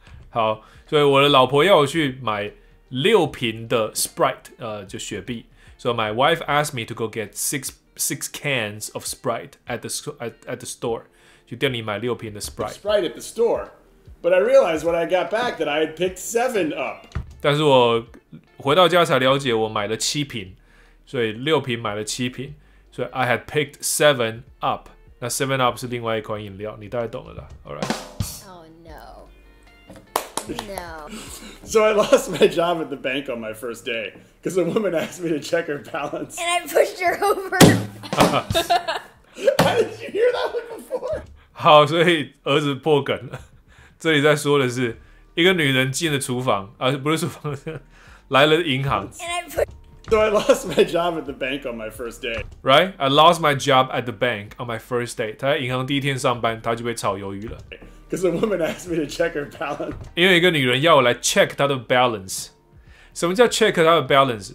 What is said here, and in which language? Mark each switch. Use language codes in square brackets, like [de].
[zh] 好所以我的老婆要我去买6瓶的 Sprite, 就雪碧。 [en] So my wife asked me to go get 6 cans of Sprite at the store. [zh] 去店里买6瓶的 Sprite. [en] Sprite at the store. But I realized when I got back that I had picked 7 up. [zh] 但是我回到家才了解我买了7瓶，所以6瓶买了7瓶，所以 [en] I had picked 7 up. [zh] 那7 up 是另外一款饮料，你大概懂了啦。 [en] All right. Oh no. No. So I lost my job at the bank on my first day because a woman asked me to check her balance. And I pushed her over. How did you hear that one before? [zh] 好，所以儿子破梗了。这里在说的是一个女人进了厨房，不是厨房，来了银行。 [en] So I lost my job at the bank on my first day. Right? I lost my job at the bank on my first day. [zh] 她在银行第一天上班，她就被炒鱿鱼了。 [en] Because a woman asked me to check her balance. [zh] 因为一个女人要我来 check 她的 balance. 什么叫 check 她的 balance?